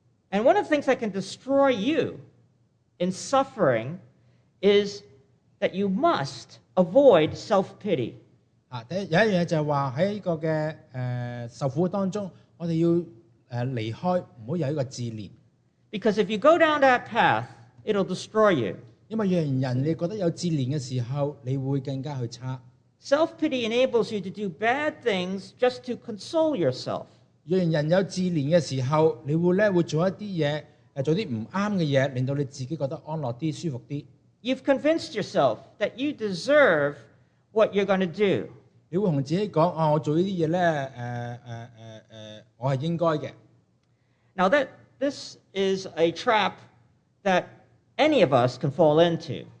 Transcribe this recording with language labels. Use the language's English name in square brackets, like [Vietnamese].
[English] And one of the things that can destroy you in suffering is that you must avoid self-pity. [Cantonese] 有一样嘢就系话喺呢个嘅受苦当中，我哋要离开，唔好有一个自怜。 [English] Because if you go down that path, it'll destroy you. [Cantonese] 因为让人你觉得有自怜的时候，你会更加去差。 [English] Self-pity enables you to do bad things just to console yourself. [Cantonese] 让人有自怜的时候，你会咧会做一啲嘢，做啲唔啱嘅嘢，令到你自己觉得安乐啲、舒服啲。 [English] You've convinced yourself that you deserve what you're going to do. [Cantonese] 你会同自己讲，我做呢啲嘢咧，我系应该嘅。 [English] Now that this is a trap that. Any of us can fall into.